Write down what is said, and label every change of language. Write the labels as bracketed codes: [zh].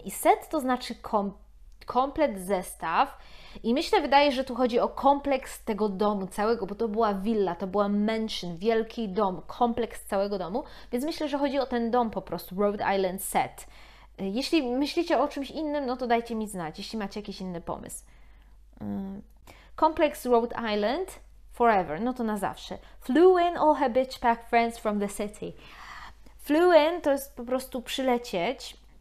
[pl] I set to znaczy komplet zestaw i myślę, wydaje, że tu chodzi o kompleks tego domu całego, bo to była willa, to była mansion, wielki dom, kompleks całego domu, więc myślę, że chodzi o ten dom po prostu, Rhode Island set. Jeśli myślicie o czymś innym, no to dajcie mi znać, jeśli macie jakiś inny pomysł. Kompleks Rhode Island forever, no to na zawsze. [en] Flew in all her bitch pack friends from the city. Flew in [pl] to jest po prostu przylecieć.